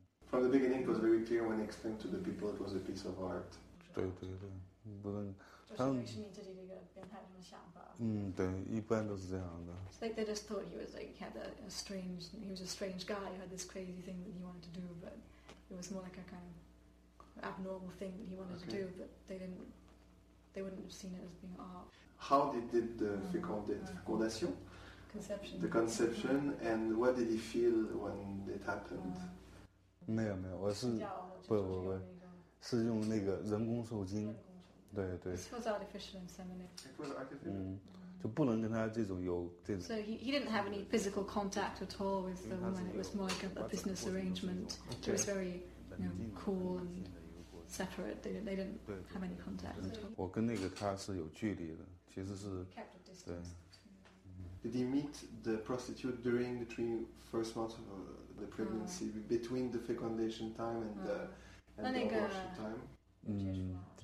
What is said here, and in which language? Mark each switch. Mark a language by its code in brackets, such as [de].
[en] from the beginning, it was very clear when he explained to the people it was a piece of art. [zh] 对对对。不能，他就是对于你自己这个变态什么想法？对，一般都是这样的。 [en] So、they just thought he was like had he was a strange guy who had this crazy thing that he wanted to do, but it was more like a kind of abnormal thing that he wanted to do, but they wouldn't have seen it as being art. How did the fecundation? Conception. The conception, and what did he feel when it happened? [zh] 没有，我是不，是用那个人工受精。对对。 [en] It was artificial insemination. It was artificial. [zh] 就不能跟他这种有这种。 [en] So he didn't have any physical contact at all with the woman. It was more like a business arrangement. It was very, you know, cool and separate. They didn't have any contact at all. [zh] 我跟那个他是有距离的，其实是。 [en] Kept a distance. Did he meet the prostitute during the 3 first months of the pregnancy, between the fecundation time and the abortion time?